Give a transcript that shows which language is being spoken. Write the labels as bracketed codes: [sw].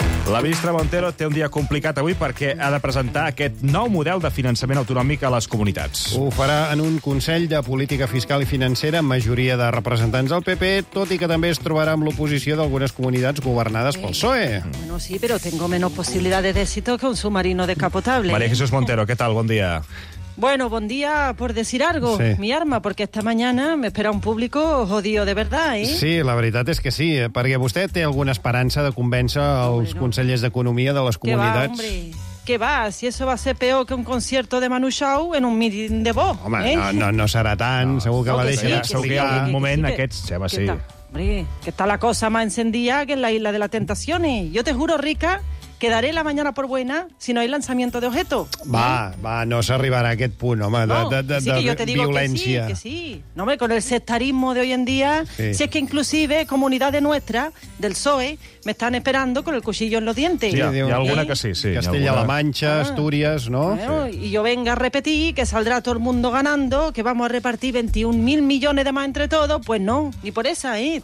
[ca] La ministra Montero té un dia complicat avui perquè ha de presentar aquest nou model de finançament autonòmic a les comunitats. Ho farà en un Consell de Política Fiscal i Financera amb majoria de representants del PP, tot i que també es trobarà amb l'oposició d'algunes comunitats governades pel PSOE. [es] Bueno, sí, pero tengo menos posibilidades de éxito que un submarino descapotable. María Jesús Montero, ¿qué tal? [ca] Bon dia. [es] Bueno, buen día, por decir algo, sí. Mi arma, porque esta mañana me espera un público jodido de verdad, ¿eh? [ca] Sí, la veritat és que sí, perquè vostè té alguna esperança de convèncer els consellers d'economia de les comunitats. [es] Que va, hombre, que va, si eso va a ser peor que un concierto de Manu Chao en un meeting de Bo. [ca] Home, ¿eh? No serà tant, no. Segur que no, la deixarà. Sí, segur que hi ha algun moment aquests, ja va ser. [es] Hombre, que está la cosa más encendida que en la Isla de las Tentaciones. Yo te juro, Rica, quedaré la mañana por buena si no hay lanzamiento de objeto. [ca] Va, no s'arribarà a aquest punt, home, de violència. [es] Que sí, que sí. No, hombre, con el sectarismo de hoy en día, sí. Si es que inclusive comunidades nuestras del PSOE me están esperando con el cuchillo en los dientes. [ca] Sí, hi ha alguna que sí, sí. Castilla-La Mancha, Astúries, no? Sí. [es] Y yo venga a repetir que saldrá todo el mundo ganando, que vamos a repartir 21.000 millones de más entre todos, pues no, ni por esa, ¿eh?